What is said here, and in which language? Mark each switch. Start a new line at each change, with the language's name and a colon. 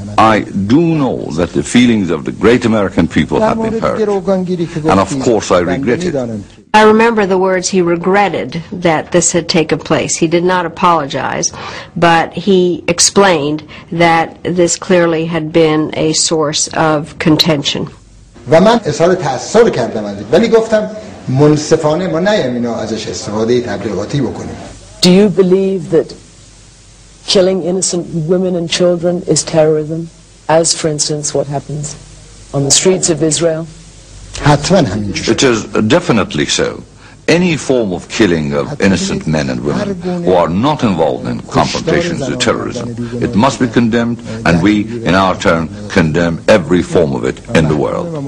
English: I do know that the feelings of the great American people have been hurt, and of course I regret it. I remember the words he regretted that this had taken place. He did not apologize, but he explained that this clearly had been a source of contention.
Persian: و من اظهار تأثیر کردم از این، ولی گفتم منصفانه ما نیم اینا ازش استفاده تبلیغاتی بکنیم.
English: Do you believe that killing innocent women and children is terrorism, as for instance what happens on the streets of Israel?
Persian: حتماً همینجور.
English: It is definitely so. Any form of killing of innocent men and women who are not involved in confrontations with terrorism, it must be condemned, and we, in our turn, condemn every form of it in the world.